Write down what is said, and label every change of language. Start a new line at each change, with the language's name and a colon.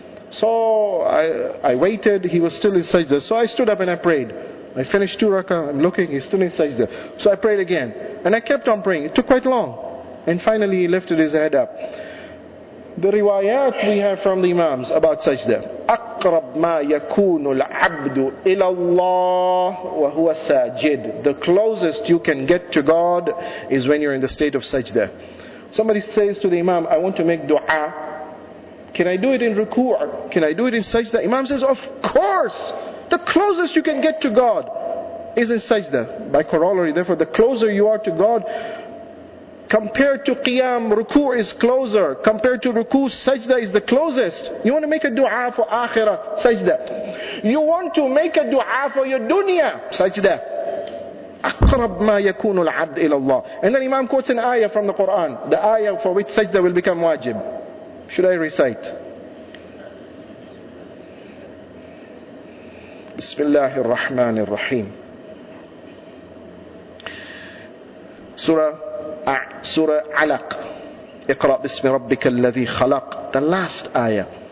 English: So I waited. He was still in sajda. So I stood up and I prayed. I finished 2 rakah. I'm looking. He's still in sajda. So I prayed again. And I kept on praying. It took quite long. And finally he lifted his head up. The riwayat we have from the imams about sajda.
Arabic: أقرب ما يكون العبد إلى الله وهو ساجد.
English: The closest you can get to God is when you're in the state of sajda. Somebody says to the imam, I want to make dua. Can I do it in ruku'? Can I do it in sajda? Imam says, of course! The closest you can get to God is in sajda. By corollary, therefore, the closer you are to God, compared to qiyam, ruku' is closer. Compared to ruku', sajda is the closest. You want to make a dua for akhirah, sajda. You want to make a dua for your dunya, sajda.
Arabic: أقرب ما يكون العبد إلى الله.
English: And then Imam quotes an ayah from the Quran. The ayah for which sajda will become wajib. Should I recite?
Arabic: بسم الله الرحمن الرحيم. Surah Alaq. اقرأ باسم ربك الذي خلق.
English: The last ayah.